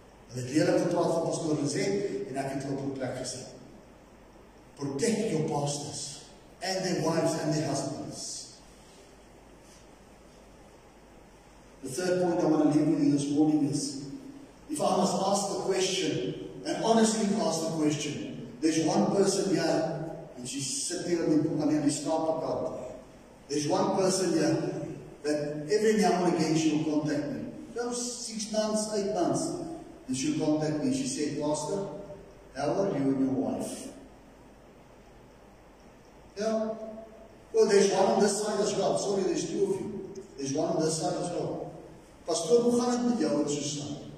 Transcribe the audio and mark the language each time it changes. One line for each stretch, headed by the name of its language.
Afrikaans: Hy het lelik gepraat van pastor gesê, en ek het hom op sy plek gesit.
English: Protect your pastors, and their wives, and their husbands. The third point I want to leave with you this morning is, if I must ask the question, and honestly ask the question, there's one person here, and she's sitting on the staff account. There's one person here that every now and again she will contact me. Those 6 months, 8 months, and she'll contact me. She said, Pastor, how are you and your wife? Yeah. Well, there's one on this side as well. Sorry, there's two of you. There's one on this side as well.
Afrikaans: Pastor, hoe gaan het met jou en Susan?